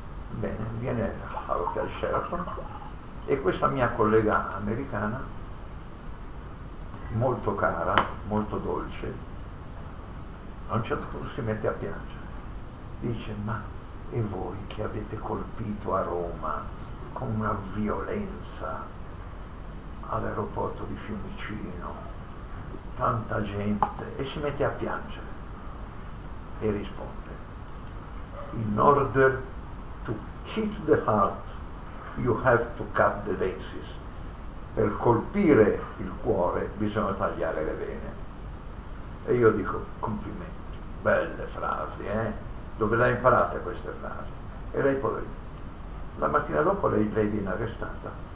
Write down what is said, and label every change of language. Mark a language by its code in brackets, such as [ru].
[it] Bene, viene all'hotel Sheraton e questa mia collega americana, molto cara, molto dolce, a un certo punto si mette a piangere, dice: ma e voi che avete colpito a Roma con una violenza all'aeroporto di Fiumicino tanta gente? E si mette a piangere e risponde: [en] in order to hit the heart, you have to cut the veins. [it] Per colpire il cuore bisogna tagliare le vene. E io dico: complimenti, belle frasi, dove l'ha imparata queste frasi. E lei poi, la mattina dopo lei viene arrestata.